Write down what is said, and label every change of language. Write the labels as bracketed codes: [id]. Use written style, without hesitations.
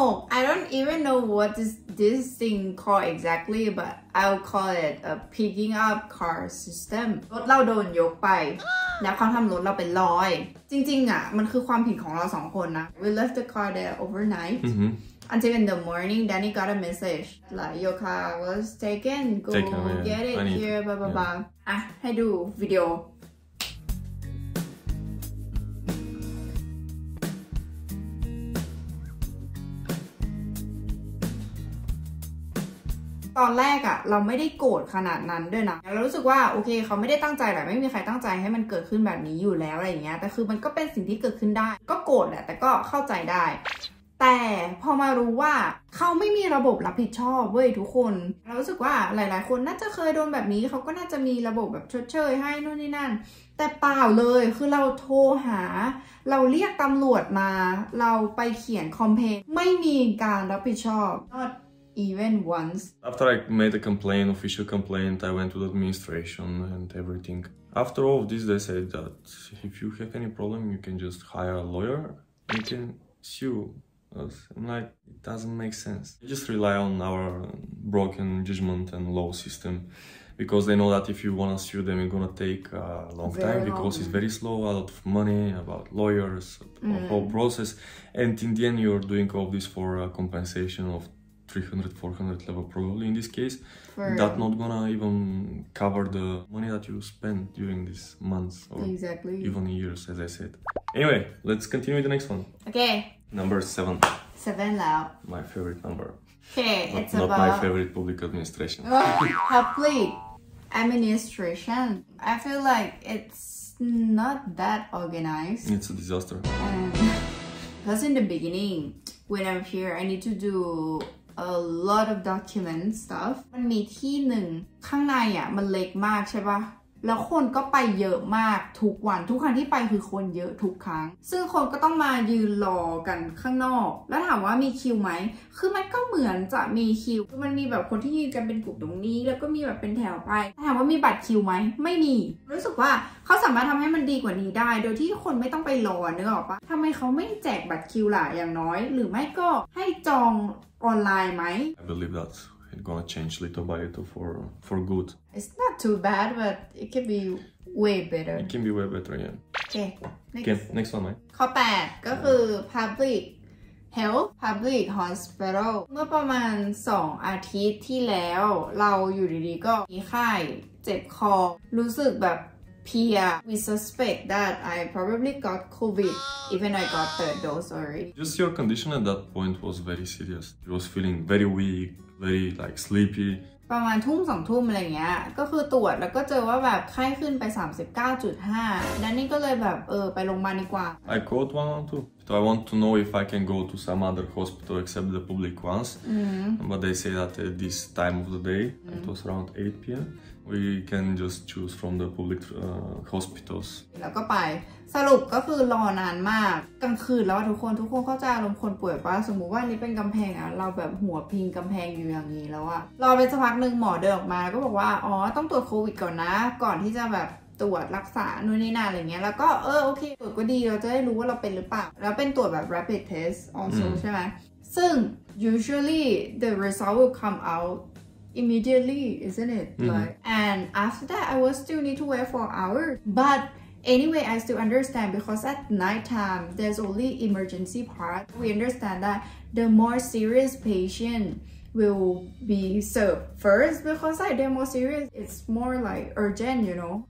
[en] I don't even know what this thing called exactly, but I'll call it a picking up car system. [th] รถเราโดนยกไปแล้วเขาทำรถเราเป็นร้อยจริงๆอ่ะมันคือความผิดของเราสองคนนะ [en] We left the car there overnight until in the morning. Danny got a message like your car was taken. Go get it here. Blah blah blah. [th] อ่ะให้ดูวิดีโอตอนแรกอ่ะเราไม่ได้โกรธขนาดนั้นด้วยนะเรารู้สึกว่าโอเคเขาไม่ได้ตั้งใจแบบไม่มีใครตั้งใจให้มันเกิดขึ้นแบบนี้อยู่แล้วอะไรอย่างเงี้ยแต่คือมันก็เป็นสิ่งที่เกิดขึ้นได้ก็โกรธแหละแต่ก็เข้าใจได้ แต่พอมารู้ว่าเขาไม่มีระบบรับผิดชอบเว้ยทุกคนเรารู้สึกว่าหลายๆคนน่าจะเคยโดนแบบนี้เขาก็น่าจะมีระบบแบบชดเชยให้นู่นนี่นั่นแต่เปล่าเลยคือเราโทรหาเราเรียกตำรวจมาเราไปเขียนคอมเพลนไม่มีการรับผิดชอบ [en] Even once. After I made a complaint, official complaint, I went to the administration and everything. After all of this, they said that if you have any problem, you can just hire a lawyer and you can sue us. I'm like, it doesn't make sense. They just rely on our broken judgment and law system because they know that if you wanna sue them, it's gonna take a long very time long. Because it's very slow, a lot of money, about lawyers, the whole process. And in the end, you're doing all this for a compensation of 300, 400 level probably in this case. That not gonna even cover the money that you spent during these months or even years, as I said. Anyway, let's continue with the next one. Okay. Number 7. 7 now. My favorite number. Okay, it's not about... Not my favorite public administration. Public administration. I feel like it's not that organized. It's a disaster. Because in the beginning, when I'm here, I need to do... a lot of document stuff [th] มันมีที่หนึ่งข้างในอ่ะมันเล็กมากใช่ป่ะแล้วคนก็ไปเยอะมากทุกวันทุกครั้งที่ไปคือคนเยอะทุกครั้งซึ่งคนก็ต้องมายืนรอกันข้างนอกแล้วถามว่ามีคิวไหม คือมันก็เหมือนจะมีคิวมันมีแบบคนที่ยืนกันเป็นกลุ่มตรงนี้แล้วก็มีแบบเป็นแถวไปถามว่ามีบัตรคิวไหมไม่มีรู้สึกว่าเขาสามารถทำให้มันดีกว่านี้ได้โดยที่คนไม่ต้องไปรอเนื้อออกป่ะทำไมเขาไม่แจกบัตรคิวล่ะอย่างน้อยหรือไม่ก็ให้จองออนไลน์ไหม [en] I believe thatIt's gonna change little by little for good. It's not too bad, but it can be way better. It can be way better, yeah. Okay, next one, right? [th] ข้อ8ก็คือ [en] public health, public hospital. [th] เมื่อประมาณ2อาทิตย์ที่แล้วเราอยู่ดีๆก็มีไข้เจ็บคอรู้สึกแบบเพียร์ [en] We suspect that I probably got COVID even I got the dose already. Just your condition at that point was very serious. You was feeling very weak.Very like sleepy. [th] ประมาณทุ่มสองทุ่มอะไรเงี้ยก็คือตรวจแล้วก็เจอว่าแบบไข้ขึ้นไป 39.5 ดันนี่ก็เลยแบบเออไปโรงพยาบาลดีกว่า [en] I called 112 but I want to know if I can go to some other hospital except the public ones mm-hmm. but they say that at this time of the day mm-hmm. it was around 8 p.m. we can just choose from the public hospitals [th] แล้วก็ไปสรุปก็คือรอนานมากกลางคืนแล้วทุกคนเข้าใจอารมณ์คนป่วยป่ะสมมุติว่านี่เป็นกำแพงอ่ะเราแบบหัวพิงกำแพงอยู่อย่างนี้แล้วอ่ะรอไปสักพักนึงหมอเดินออกมาก็บอกว่าอ๋อต้องตรวจโควิดก่อนนะก่อนที่จะแบบตรวจรักษานู่นนี่นั่นอะไรเงี้ยแล้วก็เออโอเคตรวจก็ดีเราจะได้รู้ว่าเราเป็นหรือเปล่าแล้วเป็นตรวจแบบ rapid test also ใช่ไหมซึ่ง [en] usually the result will come outimmediately isn't it mm-hmm. like and after that I will still need to wait for hours but anyway I still understand because at night time there's only emergency part we understand that the more serious patient will be served first because like they're more serious it's more like urgent you know